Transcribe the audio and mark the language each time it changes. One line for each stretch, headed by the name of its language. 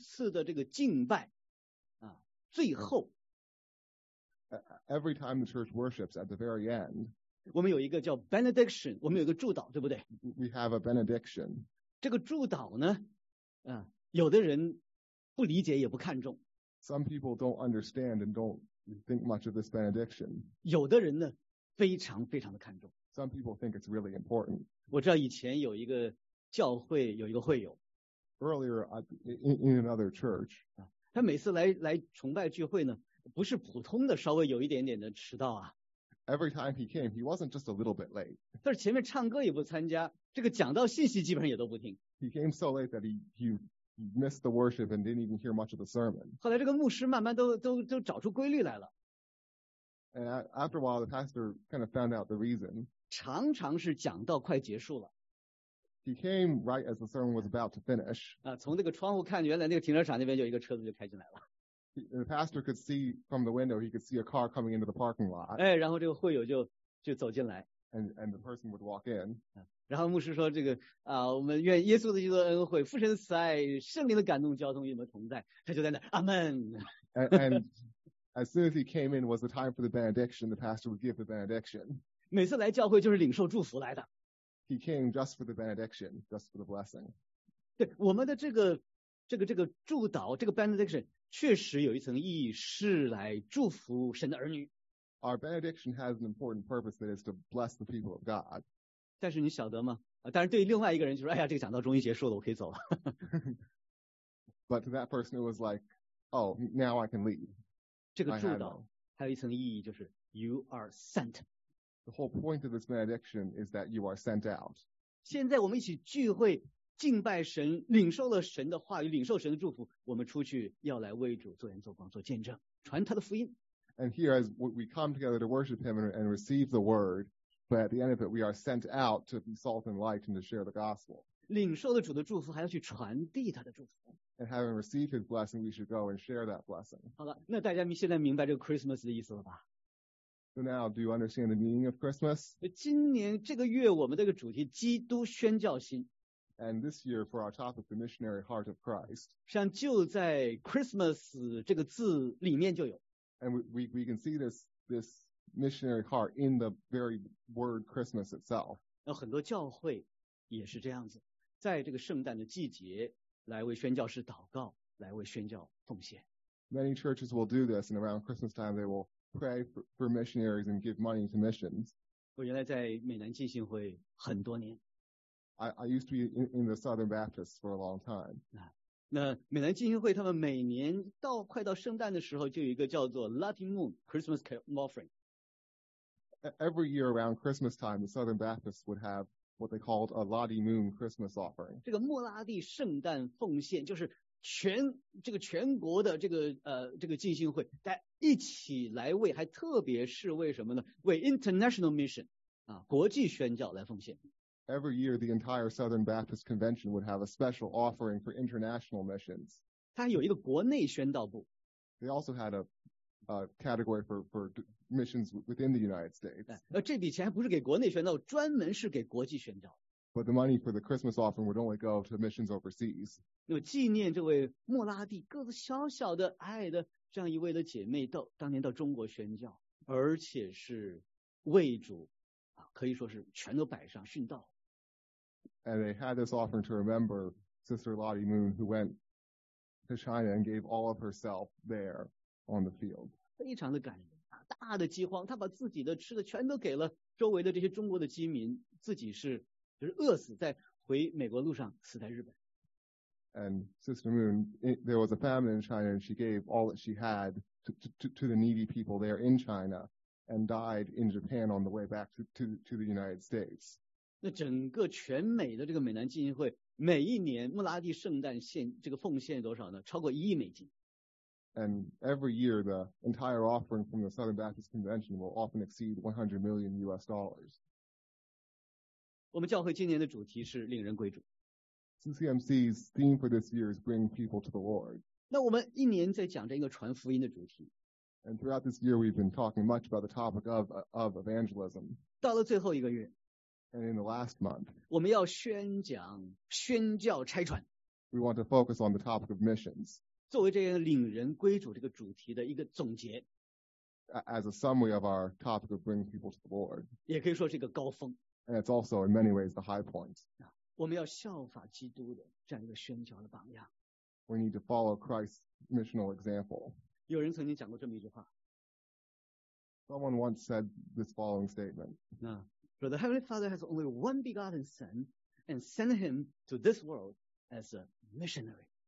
Chinese: 在教会每一次的这个敬拜, 最后,
English: Every time the church worships at the very end,
Chinese: 我们有一个叫 benediction, 我们有一个祝祷, 对不对?
English: We have a benediction.
Chinese: 这个祝祷呢, 有的人不理解也不看重。
English: Some people don't understand and don't think much of this benediction.
Chinese: 有的人呢, 非常非常的看重。
English: Some people think it's really important.
Chinese: 我知道以前有一个教会, 有一个会友。
English: Earlier, in another church,
Chinese: 他每次来崇拜聚会呢, 不是普通的, 稍微有一点点的迟到啊。
English: Every time he came, he wasn't just a little bit late.
Chinese: 但是前面唱歌也不参加, 这个讲道信息基本上也都不听。
English: He came so late that he missed the worship and didn't even hear much of the sermon.
Chinese: 后来这个牧师慢慢都找出规律来了。
English: And after a while, the pastor kind of found out the reason.
Chinese: 常常是讲到快结束了。
English: He came right as the sermon was about to finish.
Chinese: 从这个窗户看, 原来那个停车场那边就一个车子就开进来了。
English: The pastor could see from the window, he could see a car coming into the parking lot.
Chinese: 然后这个会友就走进来。
English: And the person would walk in.
Chinese: 然后牧师说这个我们愿耶稣的基督的恩惠父神的慈爱圣灵的感动交通与你们同在 他就在那阿们
English: and as soon as he came in was the time for the benediction the pastor would give the benediction
Chinese: 每次来教会就是领受祝福来的
English: he came just for the benediction just for the blessing
Chinese: 对我们的这个祝祷这个 benediction 确实有一层意义是来祝福神的儿女
English: our benediction has an important purpose that is to bless the people of God
Chinese: 但是你晓得吗? 但是对另外一个人就说, 哎呀, 这个讲道终于结束了, 我可以走了。
English: But to that person, it was like, oh, now I can leave.
Chinese: 这个祝祷还有一层意义，就是
English: you are sent。 The whole point of this benediction is that you are sent out。
Chinese: 现在我们一起聚会敬拜神，领受了神的话语，领受神的祝福，我们出去要来为主做盐做光做见证，传他的福音。
English: And here as we come together to worship him and receive the word, but at the end of it we are sent out to be salt and light and to share the gospel。
Chinese: 领受了主的祝福，还要去传递他的祝福。
English: And having received his blessing, we should go and share that blessing.
Chinese: 好了，那大家现在明白这个 Christmas 的意思了吧？
English: So now, do you understand the meaning of Christmas?
Chinese: 今年这个月我们这个主题，基督宣教心。
English: And this year, for our topic, the missionary heart of Christ.
Chinese: 实际上就在 Christmas 这个字里面就有。
English: And we can see this missionary heart in the very word Christmas itself.
Chinese: 有很多教会也是这样子，在这个圣诞的季节来为宣教士祷告，来为宣教奉献。
English: Many churches will do this, and around Christmas time they will pray for missionaries and give money to missions.
Chinese: 我原来在美南浸信会很多年。
English: I used to be in the Southern Baptists for a long time.
Chinese: 那美南浸信会他们每年到快到圣诞的时候，就有一个叫做 Latin Moon Christmas Offering.
English: Every year around Christmas time, the Southern Baptists would have what they called a Lottie Moon Christmas offering.
Chinese: 这个莫拉蒂圣诞奉献就是全国的这个浸信会，大家一起来为，还特别是为什么呢？为
English: international mission
Chinese: 啊，国际宣教来奉献。
English: Every year, the entire Southern Baptist Convention would have a special offering for international missions.
Chinese: 它有一个国内宣道部。
English: They also had a category for missions within the United States.
Chinese: 这笔钱不是给国内宣道，专门是给国际宣道。
English: But the money for the Christmas offering would only go to missions overseas.
Chinese: 那纪念这位莫拉蒂个子小小的矮的这样一位的姐妹到当年到中国宣教，而且是为主啊，可以说是全都摆上殉道。
English: And they had this offering to remember Sister Lottie Moon, who went to China and gave all of herself there. On the field.
Chinese: 非常的感人，大的饥荒，他把自己的吃的全都给了周围的这些中国的饥民，自己是就是饿死在回美国路上，死在日本。
English: And Sister Moon, there was a famine in China, and she gave all that she had to the needy people there in China, and died in Japan on the way back to the United States.
Chinese: 那整个全美的这个美南基金会，每一年穆拉蒂圣诞献这个奉献多少呢？超过$1亿。
English: And every year, the entire offering from the Southern Baptist Convention will often exceed $100 million.
Chinese: 我们教会今年的主题是领人归主。
English: CCMC's theme for this year is bring people to the Lord.
Chinese: 那我们一年在讲这一个传福音的主题。
English: And throughout this year, we've been talking much about the topic of evangelism.
Chinese: 到了最后一个月。
English: And in the last month,
Chinese: 我们要宣讲宣教拆传。
English: We want to focus on the topic of missions.
Chinese: 作为这样领人归主这个主题的一个总结
English: ，as a summary of our topic of bringing people to the Lord，
Chinese: 也可以说是一个高峰
English: ，and it's also in many ways the high point。
Chinese: 我们要效法基督的这样一个宣教的榜样。
English: We need to follow Christ's missional example。
Chinese: 有人曾经讲过这么一句话
English: ，Someone once said this following statement： "For the Heavenly Father has only one begotten Son, and sent him to this world as a missionary."